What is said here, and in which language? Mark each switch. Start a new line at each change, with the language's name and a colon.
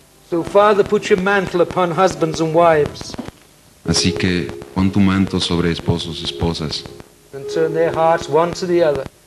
English: So Father, put your mantle upon husbands and wives.
Spanish: Así que pon tu manto sobre esposos, esposas.
English: And turn their hearts one to the other.